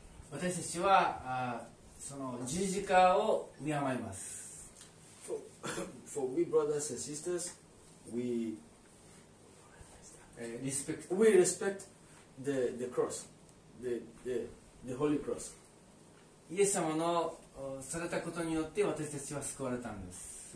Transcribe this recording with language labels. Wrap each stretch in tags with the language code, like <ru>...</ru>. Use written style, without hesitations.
<ja>私たちはその十字架を敬います。</ja> <en>For we brothers and sisters, we respect. We respect the cross, the holy cross.</en> <ja>イエス様のされたことによって私たちは救われたんです。</ja>